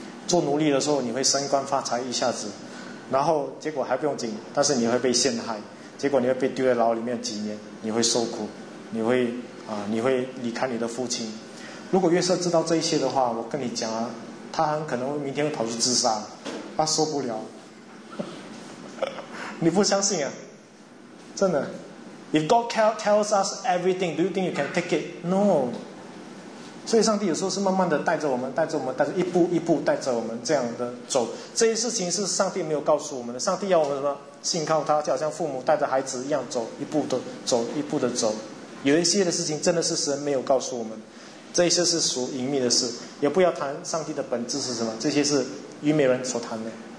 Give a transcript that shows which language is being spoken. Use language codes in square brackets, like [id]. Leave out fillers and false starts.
[zh] 做奴隶的时候，你会升官发财一下子，然后结果还不用紧，但是你会被陷害，结果你会被丢在牢里面几年，你会受苦，你会离开你的父亲。如果约瑟知道这一切的话，我跟你讲他很可能会明天会跑去自杀，他受不了。你不相信啊？真的 [en] ？If God tells us everything, do you think you can take it? No. [zh] 所以上帝有时候是慢慢的带着我们，带着我们，带着一步一步带着我们这样的走。这些事情是上帝没有告诉我们的。上帝要我们什么？信靠他，就好像父母带着孩子一样走，一步的走，一步的走。有一些的事情真的是神没有告诉我们。这些是属隐秘的事，也不要谈上帝的本质是什么，这些是愚昧人所谈的。